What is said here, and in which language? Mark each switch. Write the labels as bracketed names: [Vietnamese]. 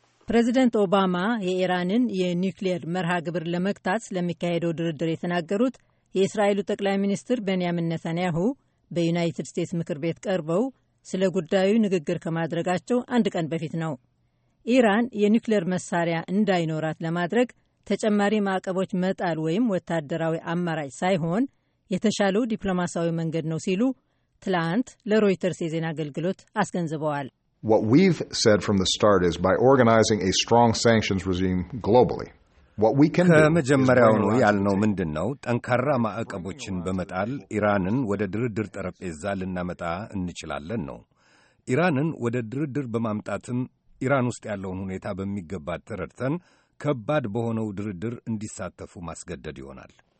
[Amharic] ፕሬዚደንት ኦባማ የኢራንን የኒውክሌር መርሃ ግብር ለመግታት ስለሚካሄደው ድርድር የተናገሩት የእስራኤሉ ጠቅላይ ሚኒስትር ቤንያሚን ኔታንያሁ በዩናይትድ ስቴትስ ምክር ቤት ቀርበው ስለ ጉዳዩ ንግግር ከማድረጋቸው አንድ ቀን በፊት ነው። ኢራን የኒውክሌር መሳሪያ እንዳይኖራት ለማድረግ ተጨማሪ ማዕቀቦች መጣል ወይም ወታደራዊ አማራጭ ሳይሆን የተሻለው ዲፕሎማሲያዊ መንገድ ነው ሲሉ ትላንት ለሮይተርስ የዜና አገልግሎት አስገንዝበዋል። [English] What we've said from the start is by organizing a strong sanctions regime globally. [Amharic] ከመጀመሪያውኑ ያልነው ምንድን ነው? ጠንካራ ማዕቀቦችን በመጣል ኢራንን ወደ ድርድር ጠረጴዛ ልናመጣ እንችላለን ነው። ኢራንን ወደ ድርድር በማምጣትም ኢራን ውስጥ ያለውን ሁኔታ በሚገባ ተረድተን ከባድ በሆነው ድርድር እንዲሳተፉ ማስገደድ ይሆናል።